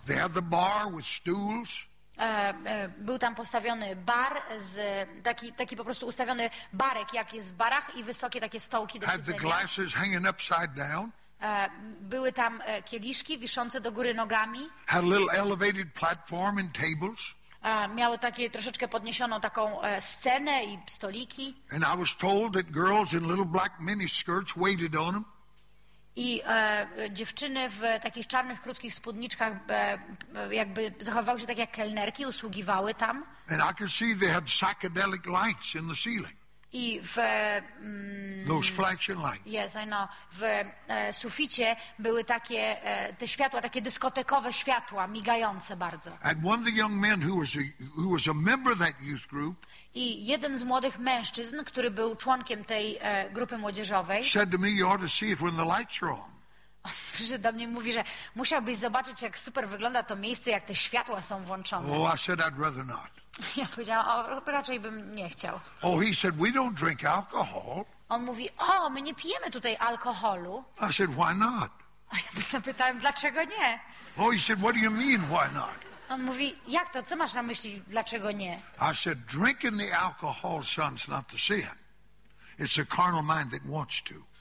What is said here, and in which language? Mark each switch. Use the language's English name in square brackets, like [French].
[English] They had the bar with stools. [Polish] Był tam postawiony bar z taki po prostu ustawiony barek, jak jest w barach, i wysokie takie stołki do siedzenia. [English] Had the glasses hanging upside down. [Polish] Były tam kieliszki wiszące do góry nogami. [English] Had a little elevated platform and tables. [Polish] Miały takie troszeczkę podniesioną taką scenę i stoliki. [English] And I was told that girls in little black miniskirts waited on them. [Polish] I dziewczyny w takich czarnych, krótkich spódniczkach jakby zachowywały się tak jak kelnerki, usługiwały tam. [English] And I could see they had psychedelic lights in the ceiling. [Polish] I w [English] those flashing lights. Yes, I know. [Polish] W suficie były takie te światła, takie dyskotekowe światła, migające bardzo. [English] And one of the young men who was a member of that youth group. [Polish] I jeden z młodych mężczyzn, który był członkiem tej grupy młodzieżowej, [English] said to me, you ought to see it when the lights are on. [Polish] Przyszedł do mnie i mówi, że musiałbyś zobaczyć, jak super wygląda to miejsce, jak te światła są włączone. [English] Oh, I said I'd rather not. [Polish] Ja powiedziałam, o, raczej bym nie chciał. [English] Oh, he said, we don't drink alcohol. [Polish] On mówi, o, my nie pijemy tutaj alkoholu. [English] I said, why not? [Polish] A ja się zapytałem, dlaczego nie? [English] Oh, he said, what do you mean, why not? [Polish] On mówi, jak to, co masz na myśli, dlaczego nie? [English] I said, drinking the alcohol, son, is not the sin. It's a carnal mind that wants to.